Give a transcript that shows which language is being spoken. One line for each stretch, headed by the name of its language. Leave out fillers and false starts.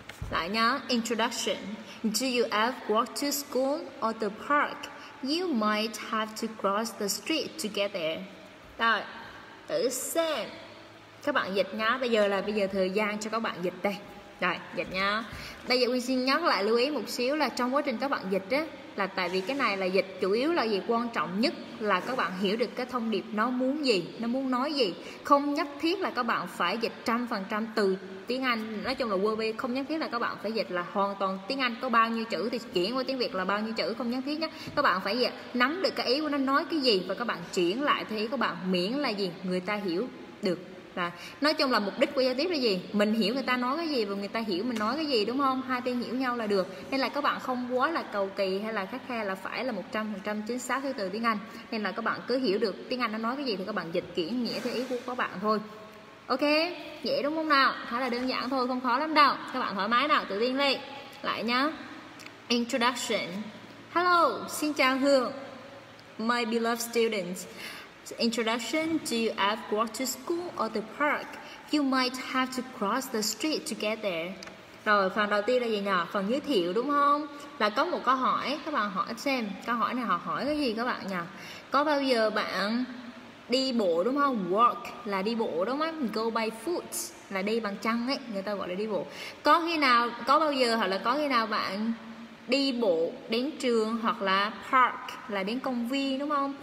Vietnamese: Lại nhá,
English: introduction. Do you have walked to school or the park? You might have to cross the street to get there.
Vietnamese: Rồi, thử xem. Các bạn dịch nhá, bây giờ thời gian cho các bạn dịch đây. Rồi, dịch nhá. Bây giờ Quyên xin nhắc lại lưu ý một xíu là trong quá trình các bạn dịch á, là tại vì cái này là dịch chủ yếu là gì, quan trọng nhất là các bạn hiểu được cái thông điệp nó muốn gì, nó muốn nói gì. Không nhất thiết là các bạn phải dịch 100% từ tiếng Anh, nói chung là
English: word by,
Vietnamese: không nhất thiết là các bạn phải dịch là hoàn toàn tiếng Anh có bao nhiêu chữ thì chuyển qua tiếng Việt là bao nhiêu chữ, không nhất thiết nhé. Các bạn phải gì? Nắm được cái ý của nó nói cái gì và các bạn chuyển lại theo ý các bạn, miễn là gì, người ta hiểu được. Là nói chung là mục đích của giao tiếp là gì? Mình hiểu người ta nói cái gì và người ta hiểu mình nói cái gì, đúng không? Hai bên hiểu nhau là được. Nên là các bạn không quá là cầu kỳ hay là khắt khe là phải là 100% chính xác theo từ tiếng Anh. Nên là các bạn cứ hiểu được tiếng Anh nó nói cái gì thì các bạn dịch chuyển nghĩa theo ý của các bạn thôi. Ok, dễ đúng không nào? Khá là đơn giản thôi, không khó lắm đâu. Các bạn thoải mái nào, tự tin lên. Lại nhá. Introduction.
English: Hello, Xin Jiang Hương, my beloved students. Introduction, do you ever go to school or the park? You might have to cross the street to get there.
Vietnamese: Rồi, phần đầu tiên là gì nhờ? Phần giới thiệu đúng không? Là có một câu hỏi, các bạn hỏi xem. Câu hỏi này họ hỏi cái gì các bạn nhờ? Có bao giờ bạn đi bộ đúng không? Walk là đi bộ đúng không?
English: Go by foot
Vietnamese: là đi bằng chân ấy, người ta gọi là đi bộ. Có khi nào, có bao giờ hoặc là có khi nào bạn đi bộ đến trường hoặc là park là đến công viên đúng không?